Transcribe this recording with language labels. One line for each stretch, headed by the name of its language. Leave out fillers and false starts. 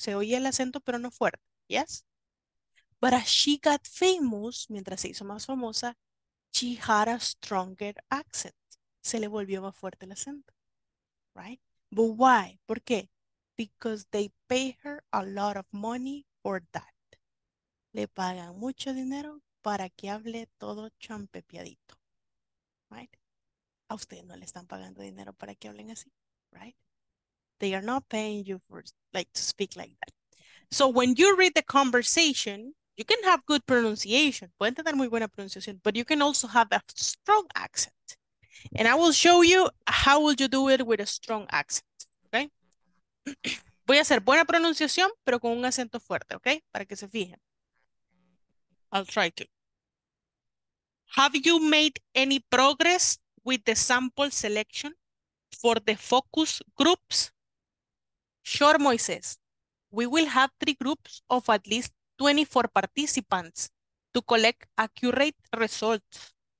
Spanish: Se oía el acento, pero no fuerte.
English: Yes? But as she got famous,
Spanish: mientras se hizo más famosa,
English: she had a stronger accent.
Spanish: Se le volvió más fuerte el acento.
English: Right? But why?
Spanish: ¿Por qué?
English: Because they pay her a lot of money for that.
Spanish: Le pagan mucho dinero para que hable todo champepiadito, right? A ustedes no le están pagando dinero para que hablen así, right?
English: They are not paying you for, like, to speak like that. So when you read the conversation, you can have good pronunciation.
Spanish: Pueden tener muy buena pronunciación,
English: but you can also have a strong accent. And I will show you how would you do it with a strong accent, okay?
Spanish: Voy a hacer buena pronunciación, pero con un acento fuerte, okay? Para que se fijen.
English: I'll try to. Have you made any progress with the sample selection for the focus groups? Sure, Moises. We will have 3 groups of at least 24 participants to collect accurate results.